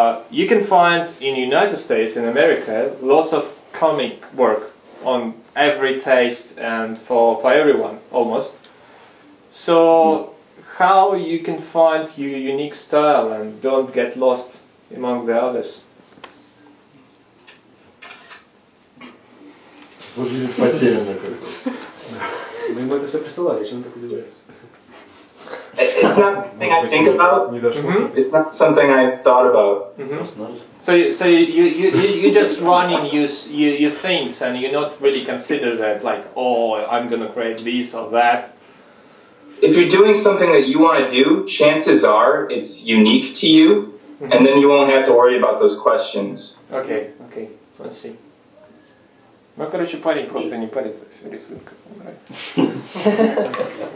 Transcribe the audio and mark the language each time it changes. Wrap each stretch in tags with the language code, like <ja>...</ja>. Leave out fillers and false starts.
<en>You can find in United States, in America, lots of comic work on every taste and for everyone, almost. So, how you can find your unique style and don't get lost among the others?</en> <ru>Выглядит потерянно как-то. Мы ему это все присылали, что он так удивляется.</ru> <en>It's not something I think about. Mm-hmm. It's not something I've thought about. Mm-hmm. So you just running your things and you not really consider that, like, oh, I'm gonna create this or that. If you're doing something that you want to do, chances are it's unique to you. And then you won't have to worry about those questions. Okay, let's see.</en> <ru>Ну, короче, парень просто не парится, все рисует, как он нравится.</ru>